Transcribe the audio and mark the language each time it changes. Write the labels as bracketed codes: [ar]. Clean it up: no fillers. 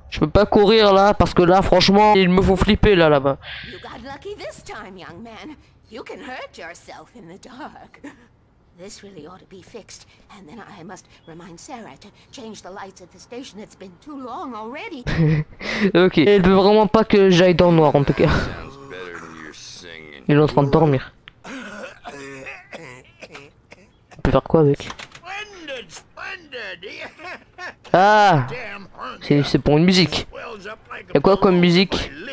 [fr] Je peux pas courir là parce que là franchement il me faut flipper là là-bas. [en] You got lucky this time, young man. You can hurt yourself in the dark. This really ought to be fixed, and then I must remind Sarah to change the lights at the station. It's been too long already. Ok. [fr] Il veut vraiment pas que j'aille dans le noir en tout cas. Il est en train de dormir. On peut faire quoi avec? Ah, c'est pour une musique. Y'a quoi comme musique?